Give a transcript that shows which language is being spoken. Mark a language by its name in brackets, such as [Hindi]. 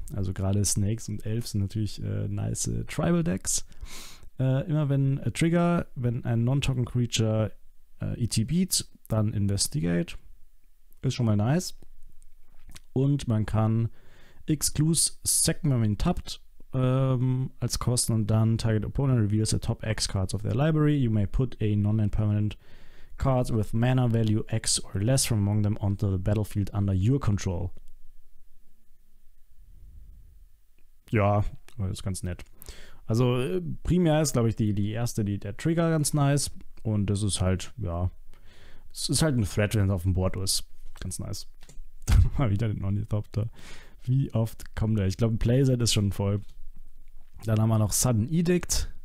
[German] Also gerade Snakes und Elf sind natürlich nice Tribal Decks. Immer wenn Trigger, wenn ein Non-Token Creature ETB't, dann Investigate. Ist schon mal nice. Und man kann X-Clues sacken, wenn man ihn tappt. Als Kosten und dann [English] Target Opponent reveals the top X cards of their library. You may put a non-land permanent card with mana value X or less from among them onto the battlefield under your control. [German] Ja, das ist ganz nett. Also primär ist, glaube ich, die erste, die der Trigger ganz nice und das ist halt, ja, es ist halt ein Threat, wenn es auf dem Board ist. Ganz nice. Mal wieder den Ornithopter. Wie oft kommt er? Ich glaube, ein Playset ist schon voll. Dann haben wir noch Sudden Edict.